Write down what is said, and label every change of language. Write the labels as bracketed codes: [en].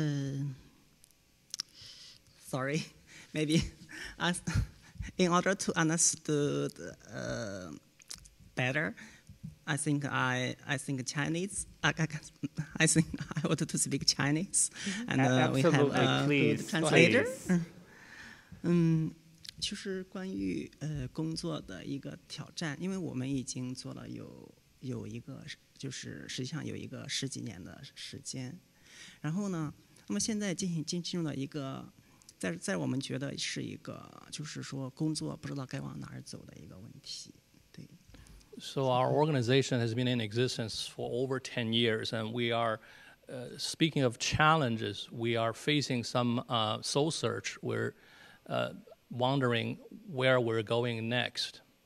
[zh] 挑战是，Damien，你要用，你们，我刚才我问你们，要不要用中文讲？你要用中文讲也可以。他问你挑战，就是你在现在在做的事情和面对的挑战有哪些？ [en] Sorry, maybe as in order to understand better, I think Chinese. I think I wanted to speak Chinese, and we have a good translator. [zh] 就是关于工作的一个挑战，因为我们已经做了有一个，就是实际上有一个十几年的时间，然后呢，那么现在进入了一个，在我们觉得是一个，就是说工作不知道该往哪儿走的一个问题。 [en] So our organization has been in existence for over 10 years, and we are, speaking of challenges, we are facing some soul search. We're wondering where we're going next.